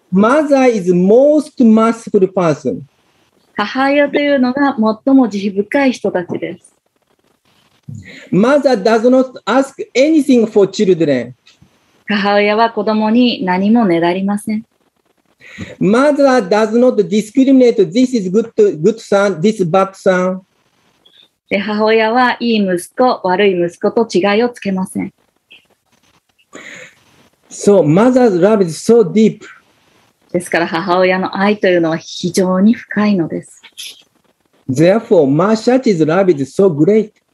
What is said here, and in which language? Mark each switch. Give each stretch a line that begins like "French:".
English: Mother is most merciful person.
Japanese: 母親というのが最も慈悲深い人たちです。
English: Mother does not ask anything for children.
Japanese: 母親は子供に何もねだりません。
English: Mother does not discriminate this is good son, this bad son.
Japanese: で、母親はいい息子、悪い息子と違いをつけません。
English: So, mother's love is so deep.
Japanese: ですから母親の愛というのは非常に深いのです。
English: Therefore, Mahashati's love is so great.